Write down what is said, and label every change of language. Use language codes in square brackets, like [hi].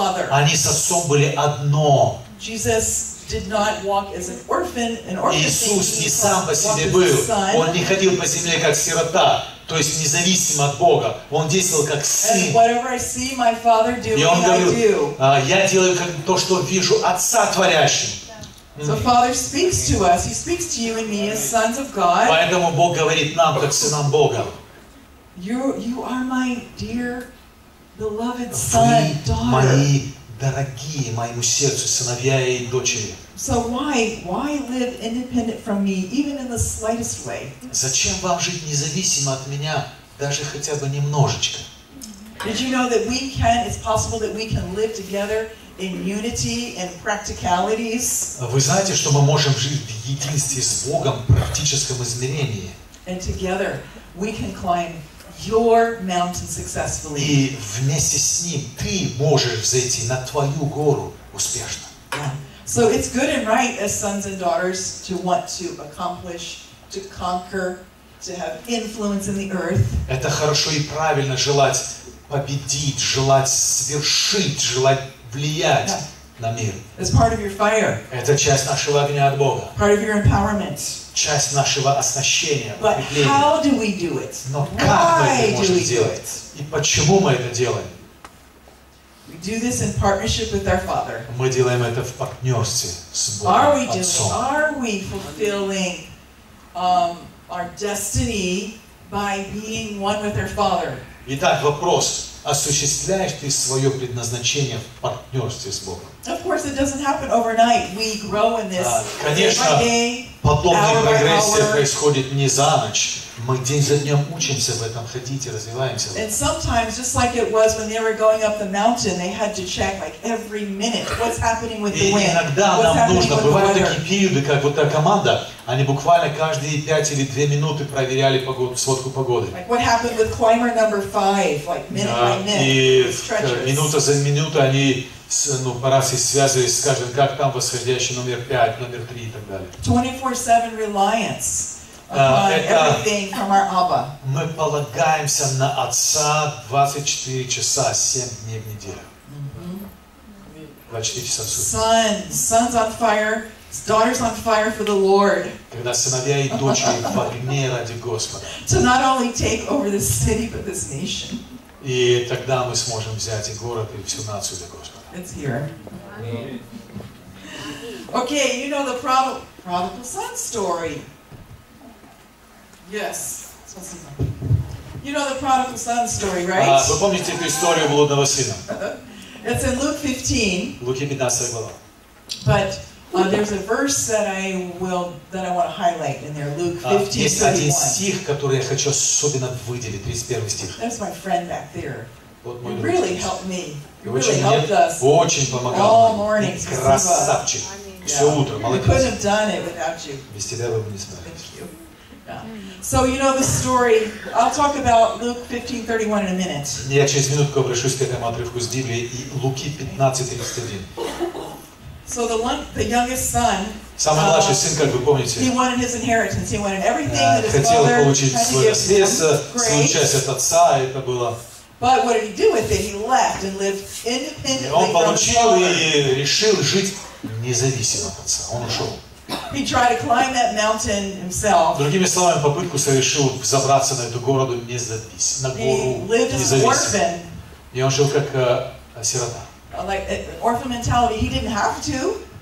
[ru] Они с отцом были одно. Иисус не сам по себе был. Он не ходил по земле как сирота, то есть независимо от Бога. Он действовал как сын. И он говорил, я делаю то, что вижу Отца творящим. [en] So Father speaks to us. He speaks to you and me as sons of God. [ru] Поэтому Бог говорит нам как сынам Бога. [en] You are my dear, beloved son, daughter. [ru] Мои дорогие, моему сердцу, сыновья и дочери. [en] So why live independent from me, even in the slightest way? [ru] Зачем вам жить независимо от меня, даже хотя бы немножечко? [en] Did you know that it's possible that we can live together in unity and practicalities? [ru] Вы знаете, что мы можем жить в единстве с Богом в практическом измерении? [en] And together we can climb your mountain successfully. [ru] И вместе с ним ты можешь взойти на твою гору успешно. [en] So it's good and right as sons and daughters to want to accomplish, to conquer, to have influence in the earth. [ru] Это хорошо и правильно желать победить, желать свершить, желать влиять на мир. [en] It's part of your fire. [ru] Это часть нашего огня от Бога. [en] Part of your empowerment. [ru] Часть нашего оснащения. [en] But how do we do it? [ru] Но как мы это можем делать? И почему мы это делаем? [en] We do this in partnership with our Father. [ru] Мы делаем это в партнерстве с Богом Отцом. [en] Are we doing? Are we fulfilling our destiny by being one with our Father? [ru] Итак, вопрос. Осуществляешь ты свое предназначение в партнерстве с Богом? [en] Of course, it doesn't happen overnight. We grow in this. [ru] Конечно, подобная прогрессия происходит не за ночь. Мы день за днем учимся в этом, ходить и развиваемся. [en] And sometimes, just like it was when they were going up the mountain, they had to check like every minute what's happening with the wind. [ru] И иногда нам нужно, бывают такие периоды, как вот эта команда, они буквально каждые 5 или 2 минуты проверяли погоду, сводку погоды. [en] Like what happened with climber number 5, like minute by minute. [ru] И минута за минутой они по раз и связывались, скажем, как там восходящий номер 5, номер 3 и так далее. [en] 24/7 reliance. [ru] Мы полагаемся на Отца 24 часа 7 дней в неделю. 24 часа в сутки. [en] Son's on fire, daughter's on fire for the Lord. [ru] Когда сыновья и дочери в огне ради Господа. [en] To not only take over this city, but this nation. [ru] И тогда мы сможем взять и город, и всю нацию для Господа. [en] It's here. Okay, you know the prodigal son story. Yes. You know the prodigal son story, right? [ru] Вы помните эту историю блудного сына? [en] It's in Luke 15. [ru] Луки 15 глава. [en] But there's a verse that I want to highlight in there. Luke 15:31. [ru] Есть один стих, который я хочу особенно выделить, 31 стих. [en] That's my friend back there. [ru] Вот [en] мой друг. Really helped me. Really helped us. [ru] Очень помогал мне. Красавчик. Все утро, молодец. [en] Couldn't have done it without you. [ru] Без тебя бы мы не смогли. [en] Thank you. So you know the story. I'll talk about Luke 15:31 in a minute. [ru] Я через минутку обращусь к этому отрывку из Библии и Луки 15:31. [en] So the youngest son. [ru] Самый младший сын, как вы помните. [en] He wanted his inheritance. He wanted everything that his father tried to give him. [ru] Хотел получить свою часть от отца, это было. [en] But what did he do with it? He left and lived independently from the father. [ru] Он получил и решил жить независимо от отца. Он ушел. [en] He tried to climb that mountain himself. [ru] Другими словами, попытку совершил взобраться на эту гору независимо. [en] He lived as an orphan. [ru] И он жил как сирота. [en] Like orphan mentality, he didn't have to.